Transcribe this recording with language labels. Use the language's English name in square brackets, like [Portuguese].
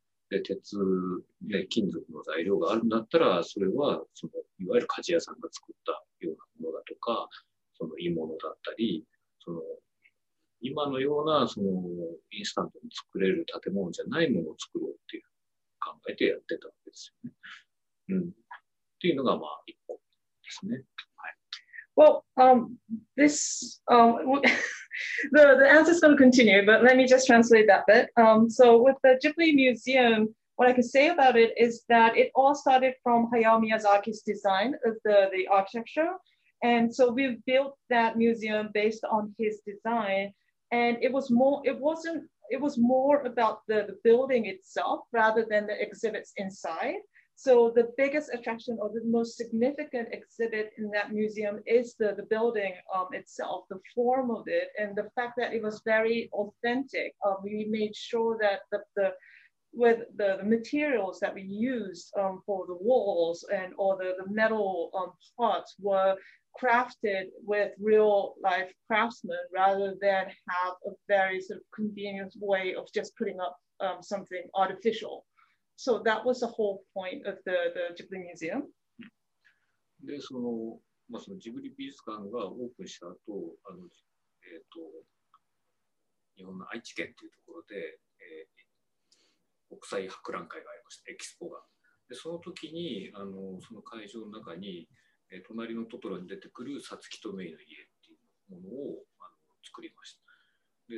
[Japanese] で、鉄、ね、金属の材料があるんだったら、それはそのいわゆる鍛冶屋さんが作ったようなものだとか、その鋳物だったり、その今のようなそのインスタントに作れる建物じゃないものを作ろうっていう。考えてやってたんですよね。うん、っていうのがまあ一個ですね。はい。 [English] Well, this, the answer is going to continue, but let me just translate that bit. So with the Ghibli Museum, what I can say about it is that it all started from Hayao Miyazaki's design of the architecture, and so we built that museum based on his design. And it was more, it wasn't it was more about the building itself rather than the exhibits inside. So the biggest attraction or the most significant exhibit in that museum is the building itself, the form of it, and the fact that it was very authentic. We made sure that the materials that we used for the walls and all the metal parts were crafted with real life craftsmen rather than have a very sort of convenient way of just putting up something artificial. So that was the whole point of the Ghibli Museum. [Japanese] で、その、まあ、そのジブリ美術館がオープンした後、あの、日本の愛知県というところで、国際博覧会がありました、エキスポが。で、その時に、あの、その会場の中に、隣のトトロに出てくるサツキとメイの家っていうものを、あの、作りました。